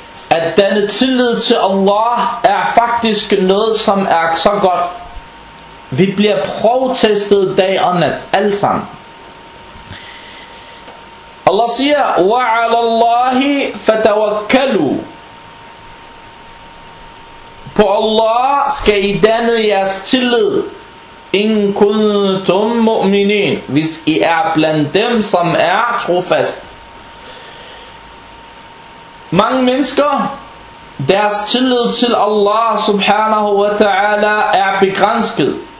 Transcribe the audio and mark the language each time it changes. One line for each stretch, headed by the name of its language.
Danish: At denne tillid til Allah er faktisk noget, som er så godt. Vi bliver prøvetestet dag og nat, alle sammen. Allah siger,
Arabic: وَعَلَى اللَّهِ فَتَوَكَّلُوا.
Danish: På Allah skal I danne jeres tillid,
Arabic: إِن كُنْتُمْ مُؤْمِنِينَ,
Danish: hvis I er blandt dem, som er trofast. Mange mennesker, deres tillid til Allah subhanahu wa ta'ala er begrænset.